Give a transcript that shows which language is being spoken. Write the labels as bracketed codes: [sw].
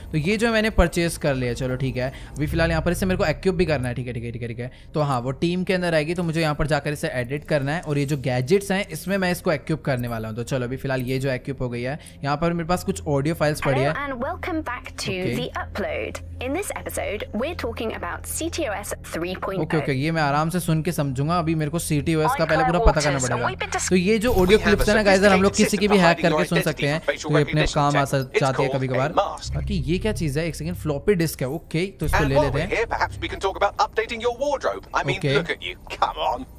[hi] तो ये जो मैंने परचेस कर लिया, चलो ठीक है अभी फिलहाल यहाँ पर इसे मेरे को इक्विप भी करना है। ठीक है तो हाँ वो टीम के अंदर आएगी, तो मुझे यहाँ पर जाकर इसे एडिट करना है, और ये जो गैजेट्स हैं इसमें मैं इसको इक्विप करने वाला हूँ। तो चलो अभी फिलहाल ये जो इक्विप हो गई है, यहाँ पर मेरे पास कुछ ऑडियो फाइल्स पड़ी है। [en] Upload. In this episode, we're talking about CTOS 3.0. [hi] Okay, ये मैं आराम से सुन के समझूंगा, अभी मेरे को CTOS का पहले पूरा पता करना पड़ेगा। तो ये जो ऑडियो क्लिप्स है ना गाइस, हम लोग किसी की भी हैक करके सुन सकते हैं, तो ये अपने काम आ जाती है कभी कभार। बाकी ये क्या चीज है, एक सेकंड, फ्लॉपी डिस्क है। ओके तो इसको ले लेते हैं।